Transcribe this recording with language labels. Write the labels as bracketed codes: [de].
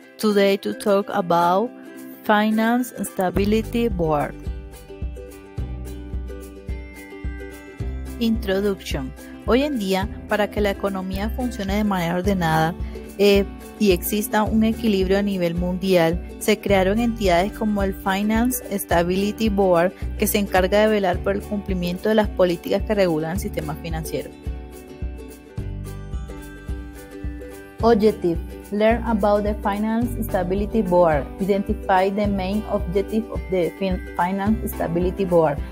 [en] Today to talk about Finance Stability Board. Introduction. [es] Hoy en día, para que la economía funcione de manera ordenada y exista un equilibrio a nivel mundial, se crearon entidades como el Finance Stability Board, que se encarga de velar por el cumplimiento de las políticas que regulan el sistema financiero. [en] Objective. Learn about the Finance Stability Board. Identify the main objective of the Finance Stability Board.